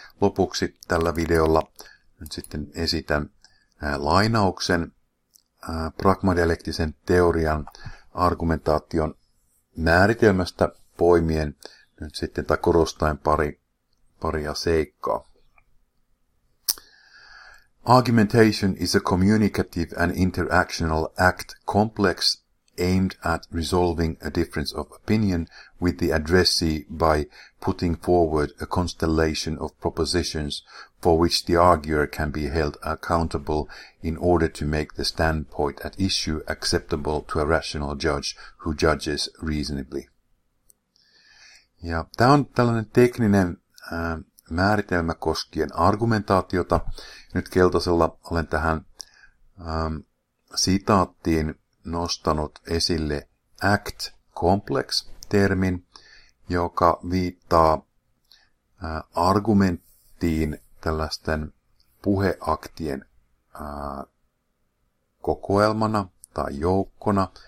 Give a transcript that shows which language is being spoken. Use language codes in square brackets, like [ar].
[fi] Lopuksi tällä videolla nyt sitten esitän lainauksen pragmadialektisen teorian argumentaation määritelmästä poimien nyt sitten tai korostaen paria seikkaa. [en] Argumentation is a communicative and interactional act complex aimed at resolving a difference of opinion with the addressee by putting forward a constellation of propositions for which the arguer can be held accountable in order to make the standpoint at issue acceptable to a rational judge who judges reasonably. [fi] Ja tämä on tällainen tekninen määritelmä koskien argumentaatiota. Nyt keltaisella olen tähän sitaattiin nostanut esille act complex -termin, joka viittaa argumenttiin tällaisten puheaktien kokoelmana tai joukkona.